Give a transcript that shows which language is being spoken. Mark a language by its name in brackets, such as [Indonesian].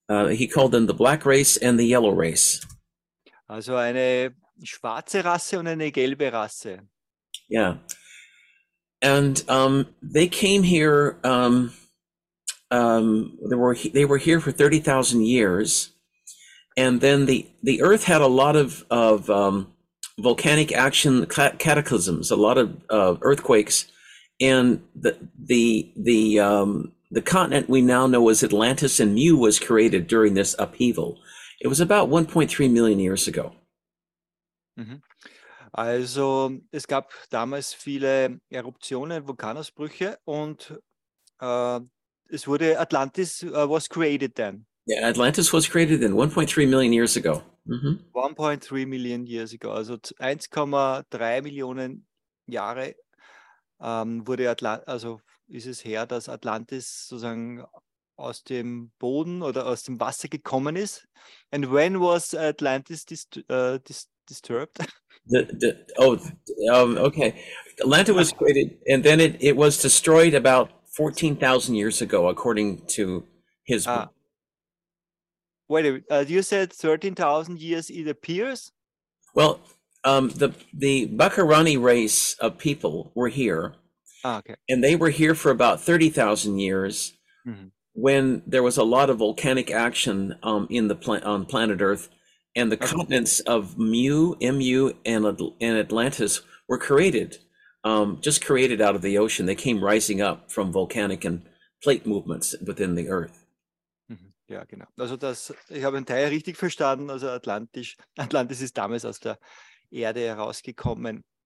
[English] He called them the Black Race and the Yellow Race. [German] Also eine schwarze Rasse und eine gelbe Rasse. [English] Yeah. And they came here, they were here for 30,000 years, and then the earth had a lot of volcanic action, cataclysms, a lot of earthquakes, and the continent we now know as Atlantis and Mu was created during this upheaval. It was about 1.3 million years ago. [German] Mm-hmm. Also, es gab damals viele Eruptionen, Vulkanausbrüche, und es wurde Atlantis [English] was created then. Yeah, Atlantis was created then 1.3 million years ago. Mm-hmm. 1.3 million years ago, [German] also 1,3 Millionen Jahre wurde ist es her, dass Atlantis sozusagen aus dem Boden oder aus dem Wasser gekommen ist. [English] And when was Atlantis disturbed? Okay. Atlantis was created, and then it was destroyed about 14,000 years ago, according to his book. Wait a minute. You said 13,000 years it appears? Well, the Baccarini race of people were here. Ah, okay. And they were here for about 30,000 years, mm-hmm, when there was a lot of volcanic action on planet Earth. And the continents of Mu, and Atlantis were created, just created out of the ocean. They came rising up from volcanic and plate movements within the Earth. [German] Ja, genau. Also das, ich habe einen Teil richtig verstanden. Also Atlantis ist damals aus der Erde herausgekommen.